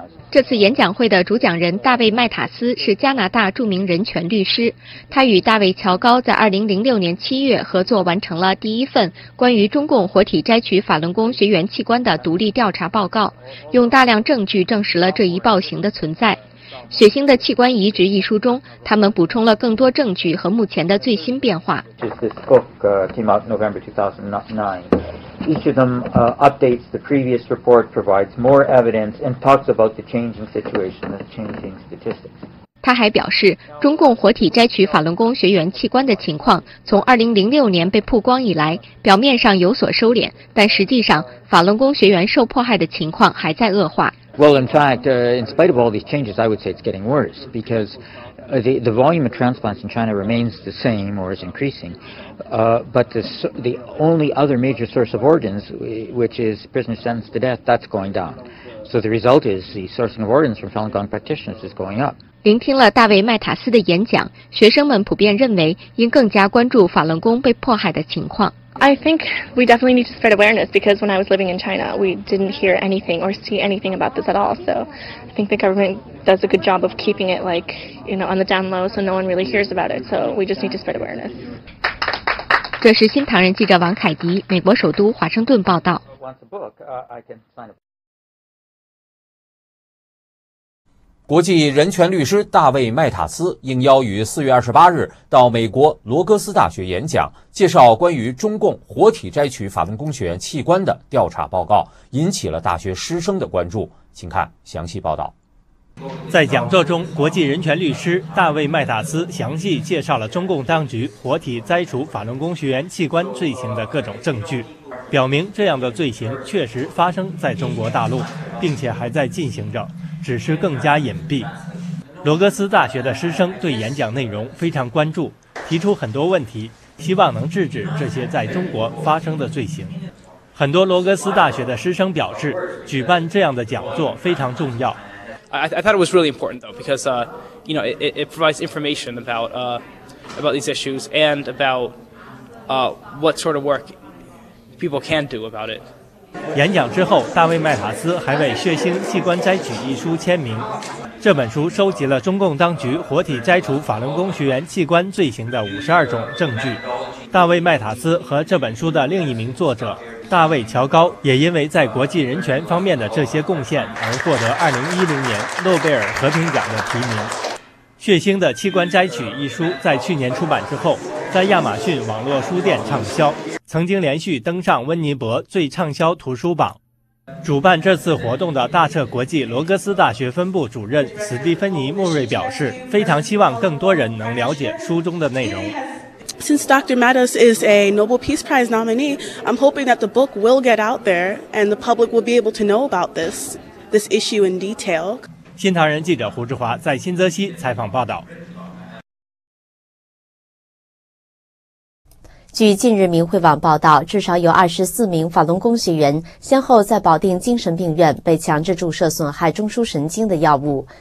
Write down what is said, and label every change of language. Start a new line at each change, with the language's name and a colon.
Chinese: 这次演讲会的主讲人大卫·麦塔斯是加拿大著名人权律师，他与大卫·乔高在2006年7月合作完成了第一份关于中共活体摘取法轮功学员器官的独立调查报告，用大量证据证实了这一暴行的存在。 《血腥的器官移植》一书中，他们补充了更多证据和目前的最新变化。
English: Each of them updates the previous report, provides more evidence, and talks about the changing situation and changing statistics.
Chinese: 他还表示，中共活体摘取法轮功学员器官的情况，从2006年被曝光以来，表面上有所收敛，但实际上，法轮功学员受迫害的情况还在恶化。
English: Well, in fact, in spite of all these changes, I would say it's getting worse because the volume of transplants in China remains the same or is increasing. But the only other major source of organs, which is prisoners sentenced to death, that's going down. So the result is the sourcing of organs from Falun Gong practitioners is going up.
Chinese: 聆听了大卫·麦塔斯的演讲，学生们普遍认为应更加关注法轮功被迫害的情况。
English: I think we definitely need to spread awareness because when I was living in China, we didn't hear anything or see anything about this at all. So I think the government does a good job of keeping it like, you know, on the down low so no one really hears about it. So we just need to spread awareness.
Chinese: 这是新唐人记者王凯迪，美国首都华盛顿报道。国际人权律师大卫·麦塔斯应邀于4月28日到美国罗格斯大学演讲，介绍关于中共活体摘取法轮功学员器官的调查报告，引起了大学师生的关注。请看详细报道。在讲座中，国际人权律师大卫·麦塔斯详细介绍了中共当局活体摘除法轮功学员器官罪行的各种证据，表明这样的罪行确实发生在中国大陆，并且还在进行着，只是更加隐蔽。罗格斯大学的师生对演讲内容非常关注，提出很多问题，希望能制止这些在中国发生的罪行。很多罗格斯大学的师生表示，举办这样的讲座非常重要。
English: I thought it was really important though, because you know, it provides information about these issues and about what sort of work people can do about it.
Chinese: 演讲之后，大卫·麦塔斯还为《血腥器官摘取》一书签名。这本书收集了中共当局活体摘除法轮功学员器官罪行的52种证据。大卫·麦塔斯和这本书的另一名作者大卫·乔高也因为在国际人权方面的这些贡献而获得2010年诺贝尔和平奖的提名。 《血腥的器官摘取》一书在去年出版之后，在亚马逊网络书店畅销，曾经连续登上温尼伯最畅销图书榜。主办这次活动的大彻国际罗格斯大学分部主任史蒂芬妮·穆瑞表示，非常希望更多人能了解书中的内容。
English: Since Dr. Mattis is a Nobel Peace Prize nominee, I'm hoping that the book will get out there and the public will be able to know about this issue in detail.
Chinese: 新唐人记者胡志华在新泽西采访报道。据近日明慧网报道，至少有24名法轮功学员先后在保定精神病院被强制注射损害中枢神经的药物。